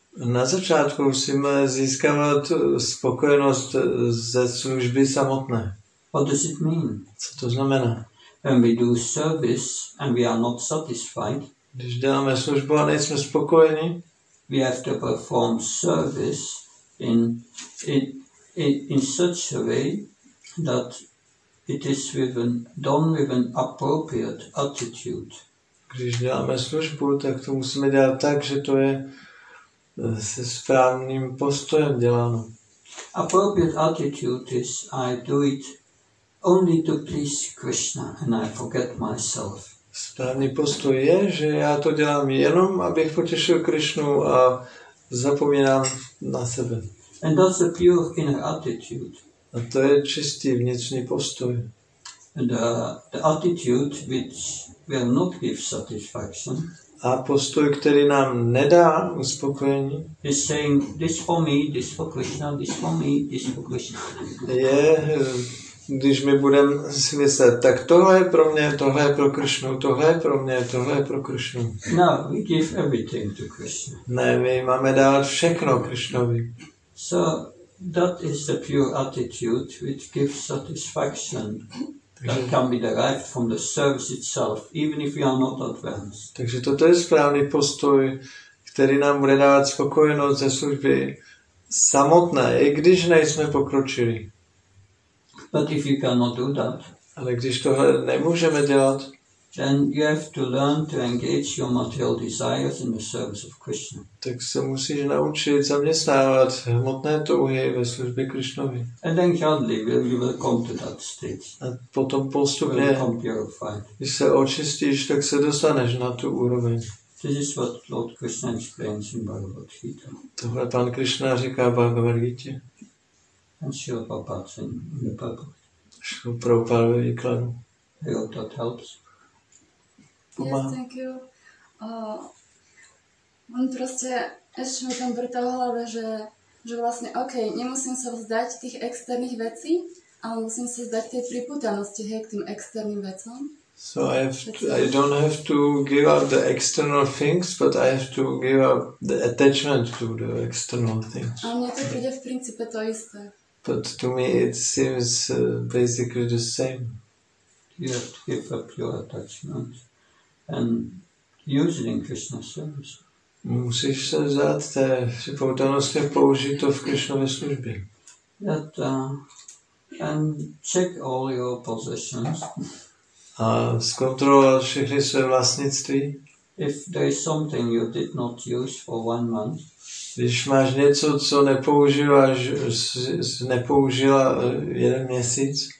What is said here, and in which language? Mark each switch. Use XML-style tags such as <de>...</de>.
<cs>Na začátku musíme získávat spokojenost ze služby samotné.</cs> <en>What does it mean?</en> <cs>Co to znamená?</cs> <en>When we do service and we are not satisfied,</en> <cs>když děláme službu a nejsme spokojeni,</cs> <en>we have to perform service in such a way that it is with an, done with an appropriate attitude.</en> <cs>Když děláme službu, tak to musíme dělat tak, že to je se správným postojem děláno.</cs> <en>Appropriate attitude is I do it only to please Krishna and I forget myself.</en> <cs>Správný postoj je, že já to dělám jenom, abych potěšil Krishnu a zapomínám na sebe.</cs> <en>And that's a pure inner attitude.</en> <cs>A to je čistý vnitřní postoj.</cs> <en>And the attitude which will not give satisfaction.</en> <cs>A postoj, který nám nedá uspokojení.</cs> <en>Is saying this for me, this for Krishna, this for me, this for Krishna.</en> <cs>Je, když my budeme si myslet, tak tohle je pro mě, tohle je pro Krishnu, tohle je pro mě, tohle je pro Krishnu.</cs> <en>No, we give everything to Krishna.</en> <cs>Ne, my máme dát všechno Krishnovi.</cs> <en>So that is the pure attitude which gives satisfaction. That can be derived from the service itself, even if we are not advanced.</en> <cs>Takže toto je správný postoj, který nám bude dávat spokojenost ze služby samotné, i když nejsme pokročili.</cs> <en>But if you cannot do that,</en> <cs>ale když tohle nemůžeme dělat,</cs> <en>then you have to learn to engage your material desires in the service of Krishna.</en> <cs>Tak se musíš naučit zaměstnávat hmotné touhy ve službě Krishnovi.</cs> <en>And then gradually you will come to that state.</en> <cs>A potom postupně, když se očistíš, tak se dostaneš na tu úroveň.</cs> <en>This is what Lord Krishna explains in Bhagavad Gita.</en> <cs>Tohle pan Krishna říká Bhagavad Gita.</cs> <en>And Srila Prabhupada in the Bhagavad.</en> <cs>Srila Prabhupada ve výkladu.</cs> <en>I hope that helps. Yes, thank you.</en> <sk>On proste, ešte mi tam vrta v hlave, že vlastne, OK, nemusím sa vzdať tých externých vecí, ale musím sa vzdať tej pripútanosti, hej, k tým externým vecom.</sk> <en>So I have to, I don't have to give up the external things, but I have to give up the attachment to the external things.</en> <sk>A mne to príde v princípe to isté.</sk> <en>But to me it seems basically the same. You have to give up your attachment. And use it in Krishna's service.</en> <cs>Musíš se vzát té připoutanosti a použít to v Krishnově službě.</cs> <en>That, and check all your possessions.</en> <cs>A zkontrolovat všechny své vlastnictví.</cs> <en>If there is something you did not use for one month.</en> <cs>Když máš něco, co nepoužíváš, nepoužila jeden měsíc.</cs>